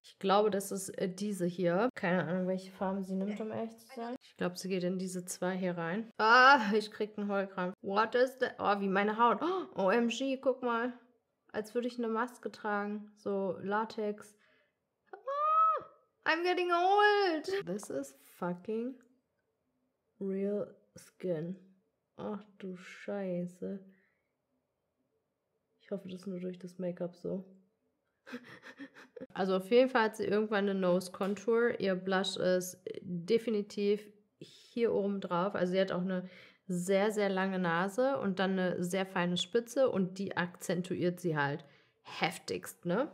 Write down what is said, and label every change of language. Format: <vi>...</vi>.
<de>Ich glaube, das ist diese hier. Keine Ahnung, welche Farben sie nimmt, um ehrlich zu sein. Ich glaube, sie geht in diese zwei hier rein. Ah, ich kriege einen Heulkrampf.</de> <en>What is that?</en> <de>Oh, wie meine Haut. Oh, OMG, guck mal. Als würde ich eine Maske tragen.</de> <en>So Latex. I'm getting old. This is fucking real skin.</en> <de>Ach du Scheiße. Ich hoffe, das ist nur durch das Make-up so. Also auf jeden Fall hat sie irgendwann eine Nose Contour. Ihr Blush ist definitiv hier oben drauf. Also sie hat auch eine sehr, sehr lange Nase und dann eine sehr feine Spitze und die akzentuiert sie halt heftigst, ne?</de>